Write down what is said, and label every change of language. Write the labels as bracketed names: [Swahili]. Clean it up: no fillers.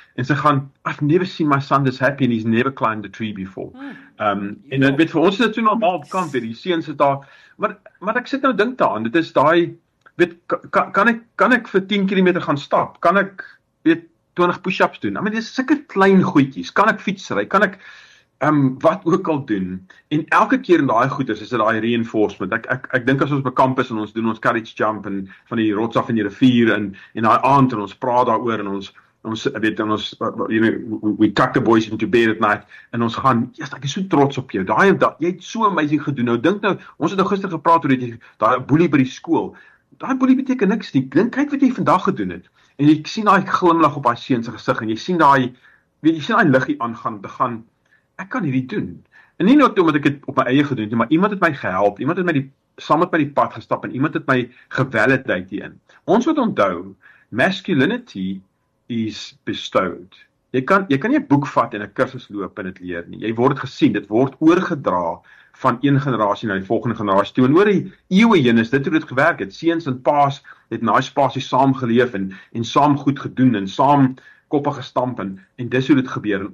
[Afrikaans] En sy gaan, [English] I've never seen my son this happy and he's never climbed a tree before. [Afrikaans] En dit weet, vir ons is dit so normaal op kamp, die seun sit daar, maar ek sit nou dink daaraan, dit is daai, weet, kan ek vir 10 kilometer gaan stap? Kan ek, weet, 20 push-ups doen? Maar dit is sulke klein goedjies, kan ek fiets ry? Kan ek wat ook al doen, en elke keer in daai goeders is dit daai reinforcement. Ek dink as ons by kamp is en ons doen ons carriage jump en van die rots af in die rivier en daai aand en ons praat daaroor en ons weet dan ons [English] you know, we tuck the boys into bed at night [Afrikaans] en ons gaan, yes, ek is so trots op jou. Daai dag, jy het so amazing gedoen. Nou dink nou, ons het nou gister gepraat oor daai boelie by die skool. Daai boelie beteken niks nie. Dink kyk wat jy vandag gedoen het. En jy sien daai glimlag op haar seun se gesig en jy sien daai liggie aangaan te gaan. ek kan hierdie doen. En nie net omdat ek het op my eie gedoen, maar iemand het my gehelp, iemand het my die, saam met my die pad gestap, en iemand het my gevalideer hierin. Ons moet onthou, [English] masculinity is bestowed. [Afrikaans] Jy kan nie 'n boek vat en 'n kursus loop en dit leer nie. Jy word gesien, dit word oorgedra van een generasie na die volgende generasie toe. En oor die eeuwe heen is dit hoe dit gewerk het. Seuns en paas het na die spasie saam geleef en saam goed gedoen en saam koppe gestamp en dis hoe dit gebeur.